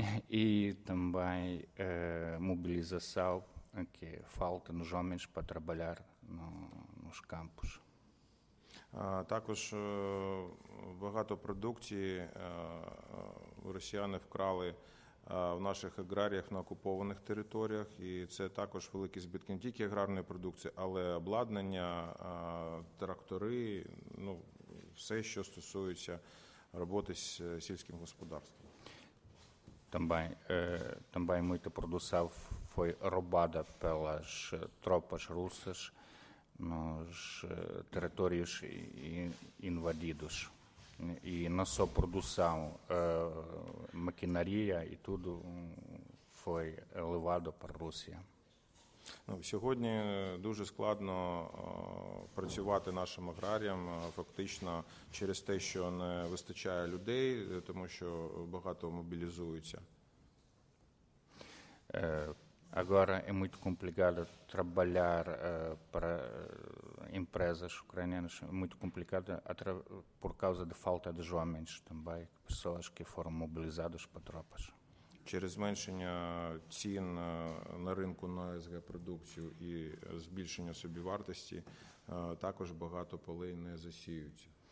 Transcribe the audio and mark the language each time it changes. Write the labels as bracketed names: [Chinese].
[Portuguese] E também mobilização que falta nos homens para trabalhar no, nos campos. [Ukrainian] Також багато продукції росіяни вкрали в наших аграріях на окупованих територіях, і це також великі збитки не тільки аграрної продукції, але обладнання, трактори, ну, все, що стосується роботи з сільським господарством. [Portuguese] Também muita produção foi roubada pelas tropas russas nos territórios invadidos. E não só produção, maquinaria e tudo foi levado para a Rússia. [Ukrainian] Ну, сьогодні дуже складно працювати нашим аграріям, фактично через те, що не вистачає людей, тому що багато мобілізуються. [Portuguese] Agora é muito complicado trabalhar para empresas ucranianas, é muito complicado por causa de falta de homens também, pessoas que foram mobilizadas para tropas. [Ukrainian] Через зменшення цін на ринку на СГ-продукцію і збільшення собівартості також багато полей не засіюються.